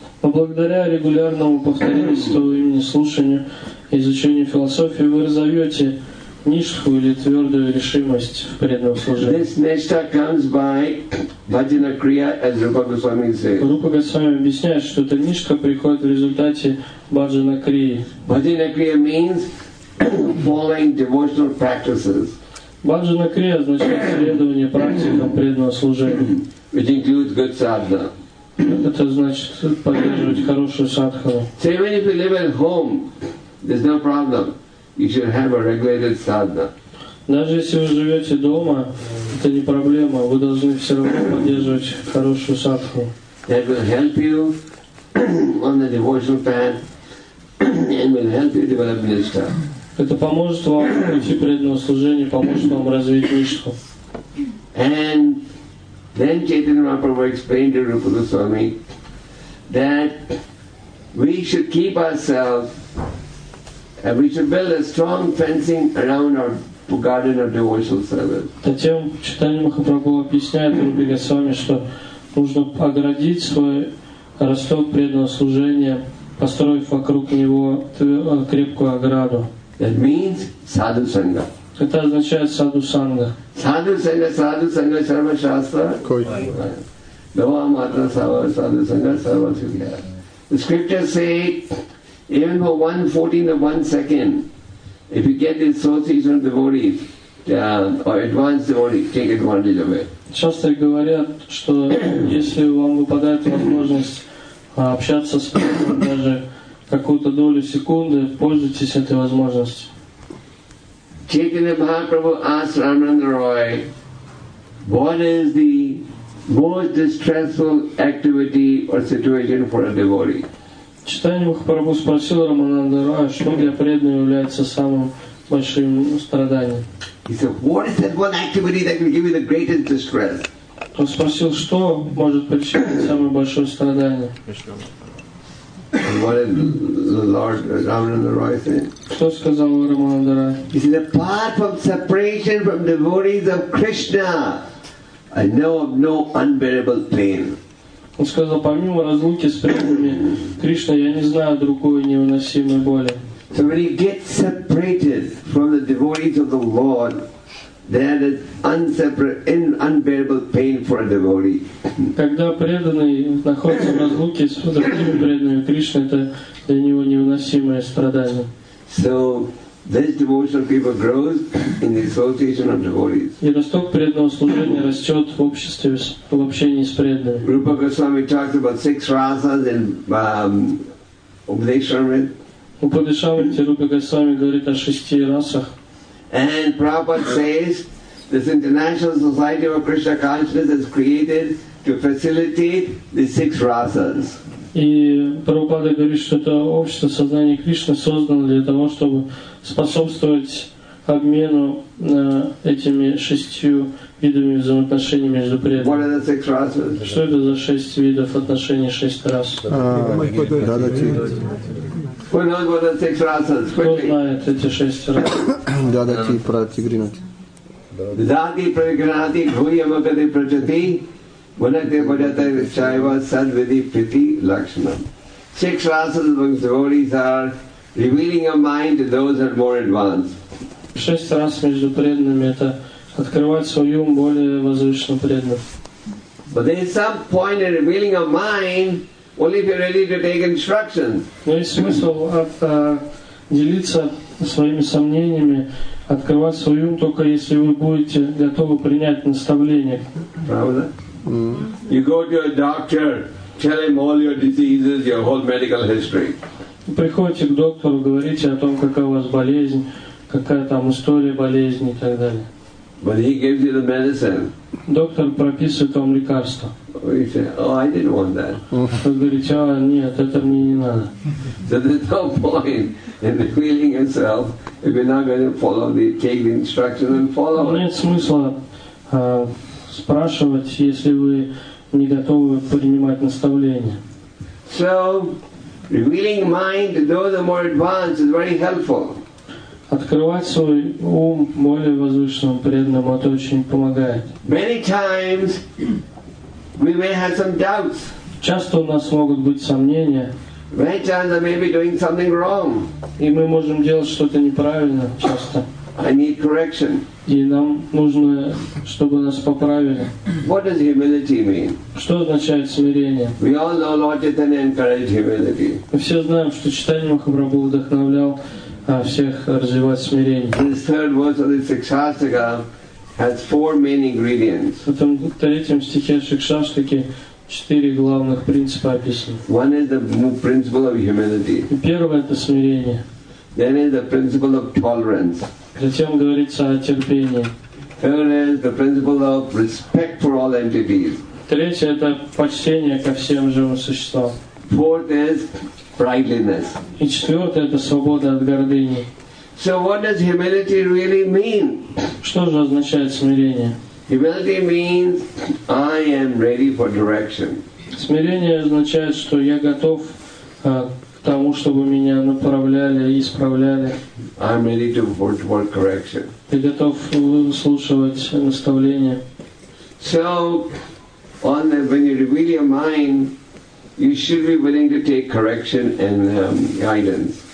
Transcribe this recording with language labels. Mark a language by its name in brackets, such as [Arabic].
[Russian] Но благодаря регулярному повторению святого имени, слушанию, изучению философии, вы разовьете нишху или твердую решимость в преданном служении. [English] This nishtha comes by bhajana kriya, as Rupa Goswami says. [Russian] Rupa Goswami объясняет, что эта нишха приходит в результате bhajana kriya. [English] Bhajana kriya means following devotional practices. [Russian] Bhajana kriya означает следование практикам преданного служения. [English] Which includes good sadhana. [Russian] Это значит поддерживать хорошую садхану. [English] So even if you live at home, there's no problem. You should have a regulated sadhana. [Russian] Даже если вы живете дома, это не проблема. Вы должны все равно поддерживать хорошую садху. [English] That will help you on the devotional path and will help you develop nishtha. [Russian] Это поможет вам идти преданному служению, поможет вам развить нишху. [English] And then Chaitanya Mahaprabhu explained to Rupa Goswami that we should keep ourselves and we should build a strong fencing around our garden of devotional service. [Russian] Затем Чайтанья Махапрабху объясняет Рупе Госвами, что нужно оградить свой росток преданного служения, построив вокруг него крепкую ограду. [English] That means sadhu sangha. [Russian] Это означает sadhu sangha. [Sanskrit] Sadhu sangha, sarva shastra. Dava matra sava sadhu sangha, sarva sukhya. [English] The scriptures say, even for 1/14 of 1 second, if you get the association of devotees, or advanced devotees, take advantage of it. [Russian] Часто говорят, что если вам выпадает возможность общаться с преданным, даже какую-то долю секунды, пользуйтесь этой возможностью. [English] Chaitanya Mahaprabhu asked Ramananda Roy, What is the most distressful activity or situation for a devotee? [Russian] Читание Махапрабху спросил Рамананда Роя, что для преданного является самым большим страданием. [English] He said, what is that one activity that can give you the greatest distress? [Russian] Он спросил, что может причинить самое большое страдание. [English] And what did Lord Ramananda Roy say? [Russian] Что сказал Рамананда Роя? [English] He said, apart from separation from devotees of Krishna, I know of no unbearable pain. [Russian] Он сказал, помимо разлуки с преданными Кришна, я не знаю другой невыносимой боли. [English] So when you get separated from the devotees of the Lord, there is unbearable pain for a devotee. [Russian] Когда преданный находится в разлуке с другими преданными Кришны, это для него невыносимое страдание. [English] So this devotional fever grows in the association of devotees. [Russian] И росток преданного служения растет в обществе, в общении с преданными. [English] Rupa Goswami talked about six rasas in Upadeshamrita. [Russian] Упадешамрити Рупа Госвами говорит о шести расах. [English] And Prabhupada says this International Society of Krishna Consciousness is created to facilitate the six rasas. [Russian] И Прабхупада говорит, что это общество сознания Кришны создано для того, чтобы способствовать обмену этими шестью видами взаимоотношений между преданными. Что это за шесть видов отношений, шесть рас? Кто знает эти шесть рас? [Sanskrit] Дадати Пратигринати. Дадати Пратигринати, Гуйямагати Прачати. Vanakti Padata Chaiva Sadvidi Priti Lakshman. [English] Six rasas among devotees are revealing your mind to those that are more advanced. [Russian] Шесть рас между преданными — это открывать свой ум более возвышенным преданным. [English] But there is some point in revealing your mind only if you're ready to take instruction. [Russian] Но есть смысл делиться своими сомнениями, открывать свой ум только если вы будете готовы принять наставление. Правда? [English] You go to a doctor, tell him all your diseases, your whole medical history. [Russian] Приходите к доктору, говорите о том, какая у вас болезнь, какая там история болезни и так далее. [English] But he gives you the medicine. [Russian] Доктор прописывает вам лекарство. [English] You say, oh, I didn't want that. [Russian] Вы говорите, а нет, это мне не надо. [English] So there's no point in healing yourself if you're not going to follow the take the instructions and follow. [Russian] Нет смысла спрашивать, если вы не готовы принимать наставления. [English] So, revealing mind to those that are more advanced is very helpful. [Russian] Открывать свой ум более возвышенному преданному — это очень помогает. [English] Many times we may have some doubts. [Russian] Часто у нас могут быть сомнения. [English] Many times I may be doing something wrong. [Russian] И мы можем делать что-то неправильно часто. [English] I need correction. [Russian] И нам нужно, чтобы нас поправили. [English] What does humility mean? [Russian] Что означает смирение? [English] We all know Lord Chaitanya encouraged humility. [Russian] Мы все знаем, что Чайтанья Махапрабху вдохновлял всех развивать смирение. [English] This third verse of the Шикшаштика has four main ingredients. [Russian] В этом третьем стихе Шикшаштики четыре главных принципа описаны. [English] One is the principle of humility. [Russian] Первое — это смирение. [English] Then is the principle of tolerance. [Russian] Затем говорится о терпении. [English] Third is the principle of respect for all entities. [Russian] Третье — это почтение ко всем живым существам. [English] Fourth is brightliness. [Russian] И четвертое — это свобода от гордыни. [English] So what does humility really mean? [Russian] Что же означает смирение? [English] Humility means I am ready for direction. [Russian] Смирение означает, что я готов к тому, чтобы меня направляли и исправляли. [English] I'm ready to work toward correction. [Russian] Ты готов слушать наставления. [English] So, on the, when you reveal your mind, you should be willing to take correction and guidance.